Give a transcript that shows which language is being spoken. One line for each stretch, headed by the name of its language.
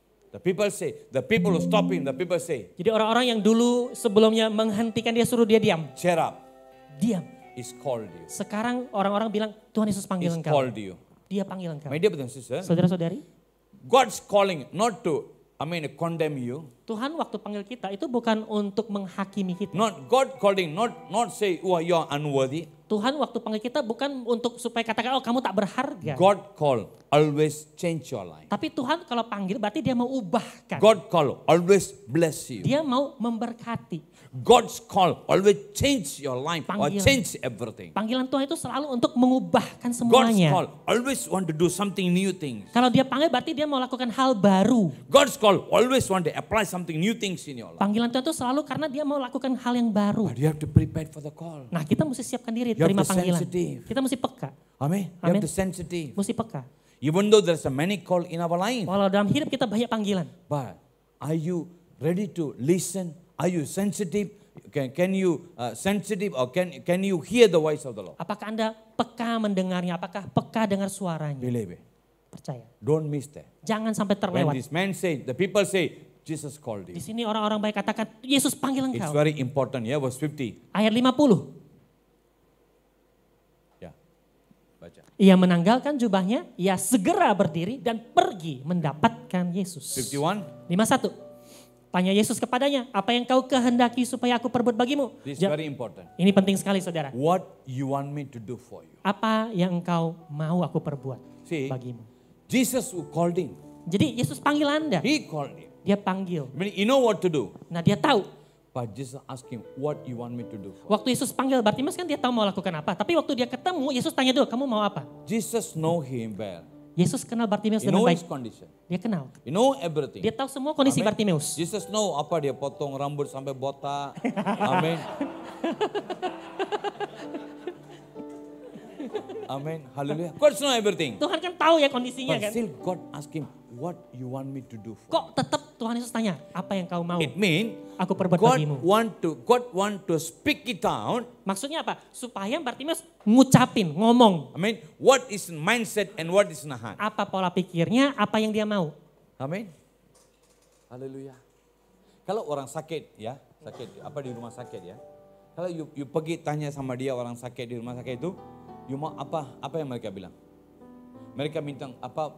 English: The people say, the people who stop him, the people say.
Indonesian: Jadi orang-orang yang dulu sebelumnya menghentikan dia suruh dia diam.
English: Cheer up.
Indonesian: Diam.
English: He's called you.
Indonesian: Sekarang orang-orang bilang, Tuhan Yesus panggil
English: He's
Indonesian: engkau.
English: He's called you.
Indonesian: Dia panggil engkau.
English: My dear brothers and sisters.
Indonesian: Saudara-saudari.
English: God's calling not to, condemn you.
Indonesian: Tuhan waktu panggil kita itu bukan untuk menghakimi kita.
English: Not God calling, not say, oh, you're unworthy.
Indonesian: Tuhan waktu panggil kita bukan untuk supaya katakan, oh kamu tak berharga.
English: God call, always change your life.
Indonesian: Tapi Tuhan kalau panggil berarti dia mau ubahkan.
English: God call, always bless you.
Indonesian: Dia mau memberkati.
English: God's call, always change your life panggilan, or change everything.
Indonesian: Panggilan Tuhan itu selalu untuk mengubahkan semuanya.
English: God's call, always want to do something new things.
Indonesian: Kalau dia panggil berarti dia mau lakukan hal baru.
English: God's call, always want to apply something new things in your life.
Indonesian: Panggilan Tuhan itu selalu karena dia mau lakukan hal yang baru.
English: But you have to prepare for the call.
Indonesian: Nah kita mesti siapkan diri terima panggilan.
English: Sensitive.
Indonesian: Kita mesti peka.
English: Amin. You have to sensitive.
Indonesian: Mesti peka.
English: Even though there's a many call in our life. Walau dalam hidup kita banyak panggilan. But are you ready to listen? Are you sensitive? Can you hear the voice of the Lord?
Indonesian: Apakah Anda peka mendengarnya? Apakah peka dengar suaranya?
English: Believe.
Indonesian: Percaya.
English: Don't miss that.
Indonesian: Jangan sampai terlewat.
English: When this man say, the people say, Jesus called you.
Indonesian: Di sini orang-orang baik katakan, Yesus panggil engkau.
English: It's very important. Yeah, verse 50.
Indonesian: Ayat 50. Ia menanggalkan jubahnya, ia segera berdiri dan pergi mendapatkan Yesus. 51. Tanya Yesus kepadanya, apa yang kau kehendaki supaya aku perbuat bagimu?
English: This is very important.
Indonesian: Ini penting sekali, saudara.
English: What you want me to do for you?
Indonesian: Apa yang engkau mau aku perbuat
English: See,
Indonesian: bagimu?
English: Jesus called him.
Indonesian: Jadi Yesus panggil Anda.
English: He called him.
Indonesian: Dia panggil.
English: I mean, you know what to do.
Indonesian: Nah, dia tahu.
English: But Jesus ask him what you want me to do.
Indonesian: Waktu Yesus panggil Bartimeus kan dia tahu mau lakukan apa. Tapi waktu dia ketemu Yesus tanya dulu kamu mau apa?
English: Jesus know him well.
Indonesian: Yesus kenal Bartimeus dengan baik.
English: He know his condition.
Indonesian: Dia kenal.
English: He know everything.
Indonesian: Dia tahu semua kondisi Bartimeus.
English: Jesus know
Indonesian: apa dia potong rambut sampai botak. Amin.
English: Amin. Haleluya. God know everything.
Indonesian: Tuhan kan tahu ya kondisinya
English: But
Indonesian: kan.
English: But still God ask him what you want me to do for.
Indonesian: Kok tetap Tuhan Yesus tanya apa yang kau mau?
English: It mean
Indonesian: aku perbuat
English: God
Indonesian: bagimu.
English: God want to speak it out.
Indonesian: Maksudnya apa? Supaya Bartimeus ngucapin, ngomong.
English: I mean, what is mindset and what is heart?
Indonesian: Apa pola pikirnya, apa yang dia mau? Amin. Haleluya. Kalau orang sakit ya, sakit apa di rumah sakit ya. Kalau you pergi tanya sama dia orang sakit di rumah sakit itu, you mau apa? Apa yang mereka bilang? Mereka minta apa?